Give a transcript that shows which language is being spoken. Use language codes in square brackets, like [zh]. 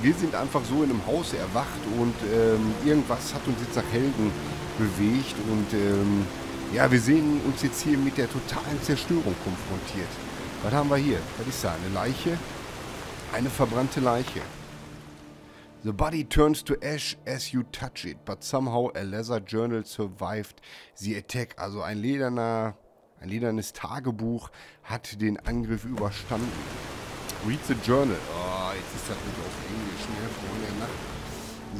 [de] Wir sind einfach so in einem Haus erwacht und irgendwas hat uns jetzt nach Helden bewegt. Und ja, wir sehen uns jetzt hier mit der totalen Zerstörung konfrontiert. Was haben wir hier? Was ist da? Eine Leiche? Eine verbrannte Leiche. [en] The body turns to ash as you touch it, but somehow a leather journal survived the attack. [de] Also ein ledernes Tagebuch hat den Angriff überstanden. [en] Read the journal. [de] Oh, jetzt ist das wieder auf Englisch, ne, Freunde.